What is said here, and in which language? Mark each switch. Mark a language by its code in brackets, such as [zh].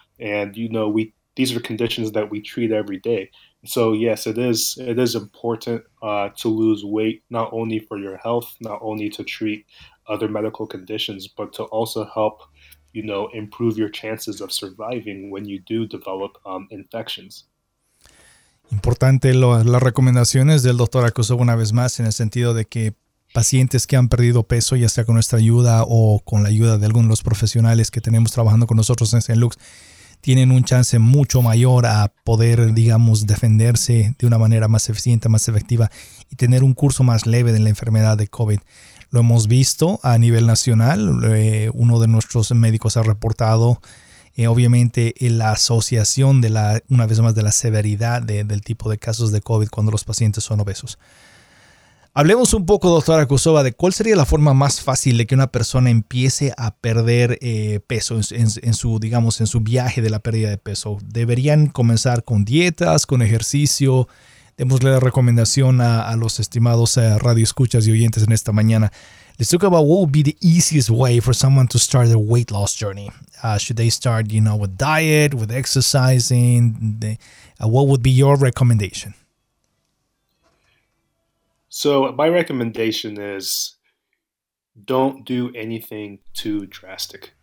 [en] And, you know, these are conditions that we treat every day. So, yes, it is important to lose weight, not only for your health, not only to treat other medical conditions, but to also help, you know, improve your chances of surviving when you do develop infections. [es] Importante las recomendaciones del doctor Acuso una vez más, en el sentido de que pacientes que han perdido peso, ya sea con nuestra ayuda o con la ayuda de algunos de los profesionales que tenemos trabajando con nosotros en St. Luke's, tienen un chance mucho mayor a poder, digamos, defenderse de una manera más eficiente, más efectiva y tener un curso más leve de la enfermedad de COVID. Lo hemos visto a nivel nacional. Uno de nuestros médicos ha reportado, obviamente, la asociación de una vez más, de la severidad del tipo de casos de COVID cuando los pacientes son obesos. Hablemos un poco, doctora Acusova, de cuál sería la forma más fácil de que una persona empiece a perder peso en su viaje de la pérdida de peso. ¿Deberían comenzar con dietas, con ejercicio? Démosle la recomendación a los estimados radioescuchas y oyentes en esta mañana. [en] Let's talk about what would be the easiest way for someone to start their weight loss journey. Should they start, you know, with diet, with exercising? What would be your recommendation? So my recommendation is don't do anything too drastic.